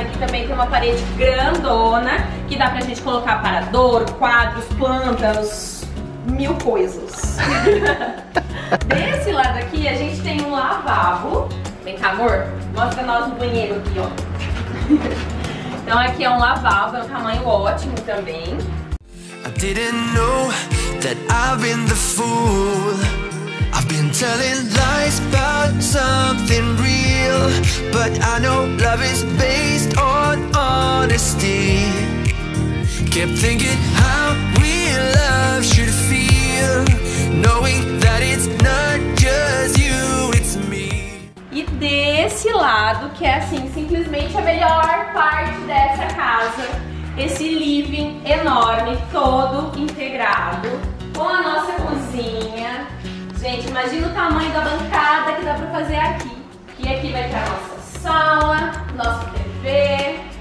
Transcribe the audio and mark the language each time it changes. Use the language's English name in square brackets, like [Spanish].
[Portuguese] Aqui também tem uma parede grandona que dá pra gente colocar aparador, quadros, plantas, mil coisas. Desse lado aqui a gente tem um lavabo. Vem cá, amor, mostra nós o banheiro aqui, ó. Então aqui é um lavabo, é um tamanho ótimo também. [English] Didn't know that I've been the fool. I've been telling lies about something real. But I know love is based on honesty. Kept thinking how real love should feel. Knowing that it's not just you, it's me. [Portuguese] E desse lado, que é assim, simplesmente a melhor parte dessa casa. Esse living enorme, todo integrado, com a nossa cozinha. Gente, imagina o tamanho da bancada que dá pra fazer aqui. E aqui vai ter a nossa sala, nossa TV.